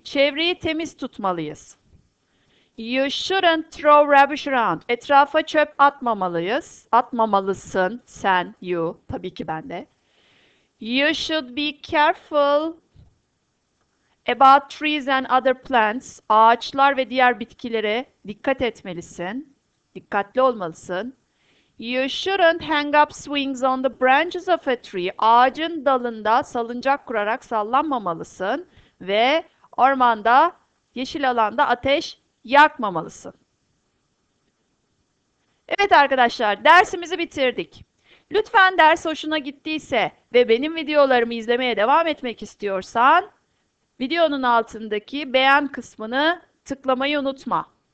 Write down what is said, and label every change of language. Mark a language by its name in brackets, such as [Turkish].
[Turkish] Çevreyi temiz tutmalıyız. [English] You shouldn't throw rubbish around. [Turkish] Etrafa çöp atmamalıyız. Atmamalısın sen, you, tabii ki ben de. [English] You should be careful about trees and other plants. [Turkish] Ağaçlar ve diğer bitkilere dikkat etmelisin. Dikkatli olmalısın. [English] You shouldn't hang up swings on the branches of a tree. [Turkish] Ağacın dalında salıncak kurarak sallanmamalısın ve ormanda, yeşil alanda ateş yakmamalısın. Evet arkadaşlar, dersimizi bitirdik. Lütfen ders hoşuna gittiyse ve benim videolarımı izlemeye devam etmek istiyorsan, videonun altındaki beğen kısmını tıklamayı unutma.